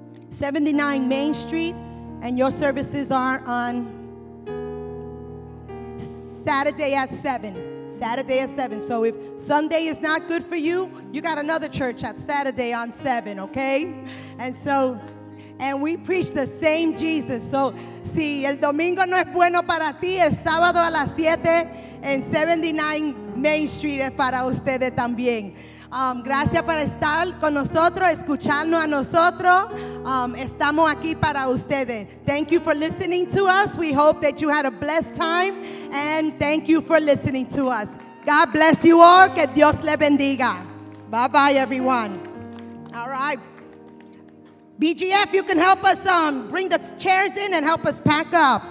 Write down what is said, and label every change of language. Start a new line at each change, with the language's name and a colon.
English: 79 Main Street. And your services are on Saturday at 7. Saturday at 7. So if Sunday is not good for you, you got another church at Saturday on 7, okay? And so, and we preach the same Jesus.
Spanish: So si el domingo no es bueno para ti, el sábado a las 7 en 79 Main Street es para ustedes también. Gracias por estar con nosotros, escucharnos a nosotros. Estamos aquí para ustedes.
English: Thank you for listening to us. We hope that you had a blessed time. And thank you for listening to us. God bless you all.
Spanish: Que Dios le bendiga.
English: Bye-bye, everyone. All right. BGF, you can help us bring the chairs in and help us pack up.